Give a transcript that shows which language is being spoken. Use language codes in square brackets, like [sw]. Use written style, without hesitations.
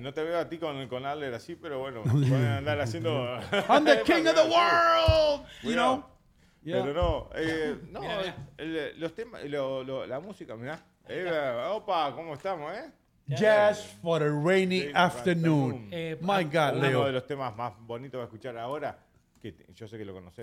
[es] No te veo a ti con Adler así, pero bueno, pueden andar haciendo. [en] I'm the king of the world, you know. Yeah. [es] Pero no, no, mira, los temas, la música, mirá. Opa, ¿cómo estamos, [en] Jazz for a rainy afternoon. My God, [es] uno Leo. Uno de los temas más bonitos a escuchar ahora, que yo sé que lo conocés.